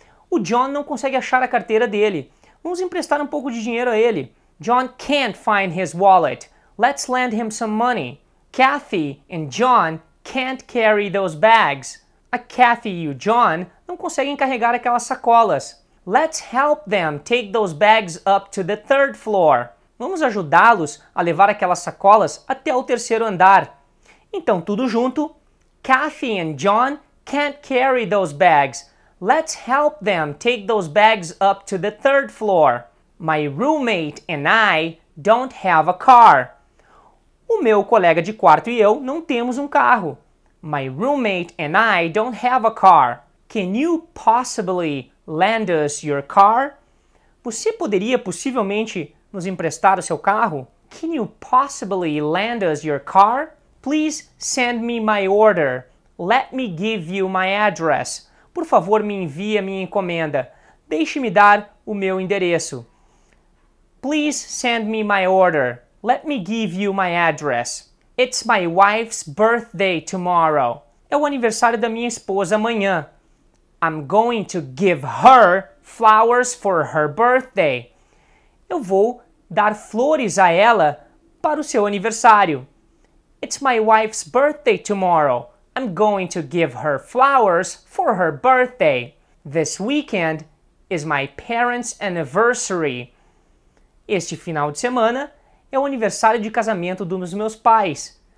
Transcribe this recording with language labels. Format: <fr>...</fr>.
<pt>O John não consegue achar a carteira dele. Vamos emprestar um pouco de dinheiro a ele.</pt> <en>John can't find his wallet. Let's lend him some money. Kathy and John can't carry those bags.</en> <pt>A Kathy e o John não conseguem carregar aquelas sacolas.</pt> <en>Let's help them take those bags up to the third floor.</en> <pt>Vamos ajudá-los a levar aquelas sacolas até o terceiro andar. Então, tudo junto.</pt> <en>Kathy and John can't carry those bags. Let's help them take those bags up to the third floor. My roommate and I don't have a car.</en> <pt>O meu colega de quarto e eu não temos carro.</pt> <en>My roommate and I don't have a car. Can you possibly lend us your car?</en> <pt>Você poderia possivelmente nos emprestar o seu carro?</pt> <en>Can you possibly lend us your car? Please send me my order. Let me give you my address.</en> <pt>Por favor, me envie a minha encomenda. Deixe-me dar o meu endereço.</pt> <en>Please send me my order. Let me give you my address. It's my wife's birthday tomorrow.</en> <pt>É o aniversário da minha esposa amanhã.</pt> <en>I'm going to give her flowers for her birthday.</en> <pt>Eu vou dar flores a ela para o seu aniversário.</pt> <en>It's my wife's birthday tomorrow. I'm going to give her flowers for her birthday. This weekend is my parents' anniversary.</en> <pt>Este final de semana é o aniversário de casamento dos meus pais.</pt>